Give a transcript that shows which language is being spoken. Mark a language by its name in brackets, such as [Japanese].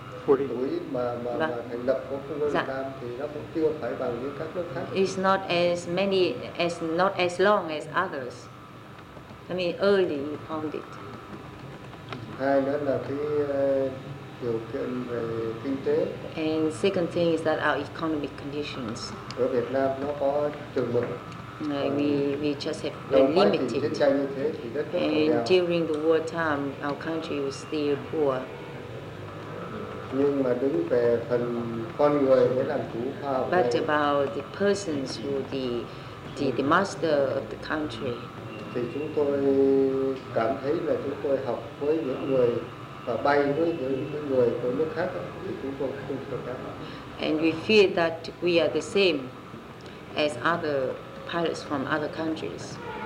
[Vietnamese] Tuổi mà thành lập của quân đội Nam thì nó cũng chưa phải bằng những các nước khác. [English] It's not as many as not as long as others. I mean early you found it. [Vietnamese] Hai nữa là cái điều kiện về kinh tế. [English] And second thing is that our economic conditions. [Vietnamese] Ở Việt Nam nó có trường mực. [English] We just have been limited. And during the war time, our country was still poor. [Vietnamese] Nhưng mà đứng về phần con người mới làm chủ khoa học. [English] But about the persons who the the master of the country. [Vietnamese] Thì chúng tôi cảm thấy là chúng tôi học với những người và bay với những người của nước khác thì chúng tôi không sợ cả. [English] And we feel that we are the same as other pilots from other countries.